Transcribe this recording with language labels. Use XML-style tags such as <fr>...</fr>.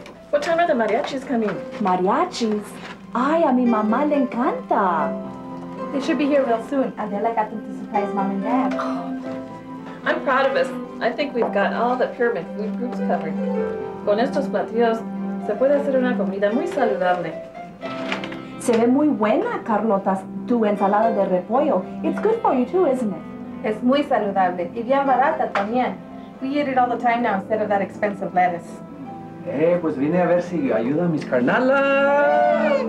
<en>What time are the mariachis coming?</en> <es>Mariachis? Ay, a mi mamá le encanta.</es> <en>They should be here real soon. Adela got them to surprise Mom and Dad. Oh, I'm proud of us. I think we've got all the pyramid food groups covered.</en> <es>Con estos platillos, se puede hacer una comida muy saludable. Se ve muy buena, Carlotas, tu ensalada de repollo.</es> <en>It's good for you too, isn't it?</en> <es>Es muy saludable y bien barata también.</es> <en>We eat it all the time now instead of that expensive lettuce.</en> <es>Hey, pues vine a ver si ayuda a mis carnalas.</es>